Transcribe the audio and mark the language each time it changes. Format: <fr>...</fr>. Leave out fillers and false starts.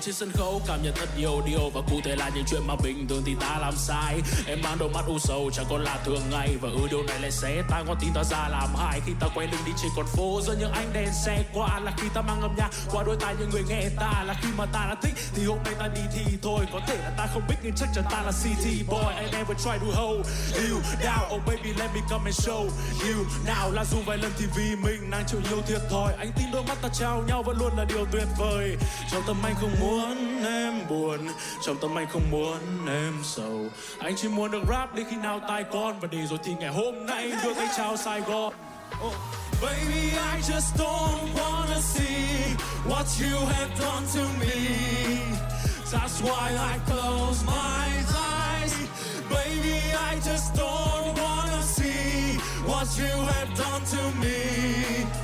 <vi>trên sân khấu cảm nhận thật nhiều điều, và cụ thể là những chuyện mà bình thường thì ta làm sai. Em mang đôi mắt u sầu chẳng còn là thường ngày, và ư điều này lại xé ta con tim ta ra làm hại. Khi ta quay lưng đi trên con phố giữa những ánh đèn xe qua, là khi ta mang âm nhạc qua đôi tai những người nghe ta, là khi mà ta đã thích thì hôm nay ta đi thì thôi. Có thể là ta không biết nhưng chắc chắn ta là city boy.</vi> <en>I never try to hold you down, oh baby let me come and show you now.</en> <vi>Là dù vài lần thì vì mình đang chịu nhiều thiệt thòi, anh tin đôi mắt ta trao nhau vẫn luôn là điều tuyệt vời. Trong tâm anh không muốn em buồn, trong tâm anh không muốn em sầu, anh chỉ muốn được rap đến khi nào tai con, và để rồi thì ngày hôm nay đưa tay chào Sài Gòn. Oh.</vi> <en>Baby, I just don't wanna see what you have done to me. That's why I close my eyes. Baby, I just don't wanna see what you have done to me.</en>